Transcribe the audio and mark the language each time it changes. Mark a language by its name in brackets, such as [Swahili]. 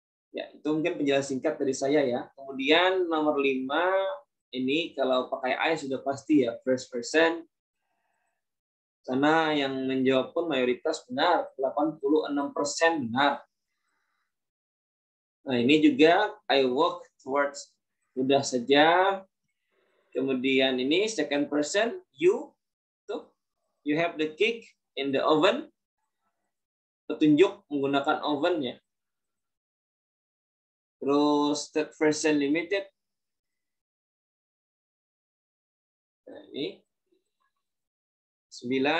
[Indonesian] Ya, itu mungkin penjelasan singkat dari saya ya. Kemudian nomor 5 ini kalau pakai I sudah pasti ya first person. Karena yang menjawab pun mayoritas benar, 86% benar. Nah, ini juga I walk towards, mudah saja. Kemudian ini second person, you. [English] Tuh, you have the cake in the oven. [Indonesian] Petunjuk menggunakan oven-nya. Terus third person limited. Nah, ini. 9.